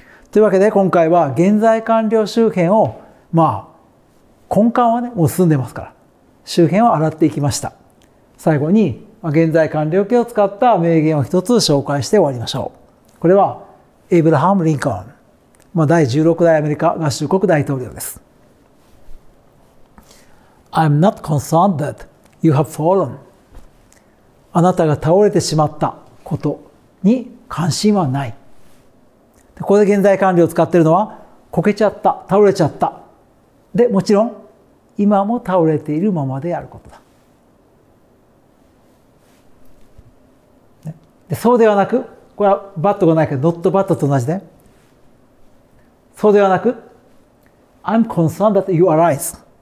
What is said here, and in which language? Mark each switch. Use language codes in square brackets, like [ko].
[ja] というわけで今回は現在完了周辺を、まあ根幹はねもう済んでますから周辺を洗っていきました。最後に現在完了形を使った名言を一つ紹介して終わりましょう。これはエイブラハム・リンカーン、まあ、第16代アメリカ合衆国大統領です。 [en] I'm not concerned that you have fallen。 [ja] あなたが倒れてしまったことに関心はない。で、ここで現在完了を使っているのはこけちゃった、倒れちゃった、で、もちろん今も倒れているままであることだ、ね、で、そうではなく、これはバットがないけどノットバットと同じで、そうではなく [en] I'm concerned that you arise。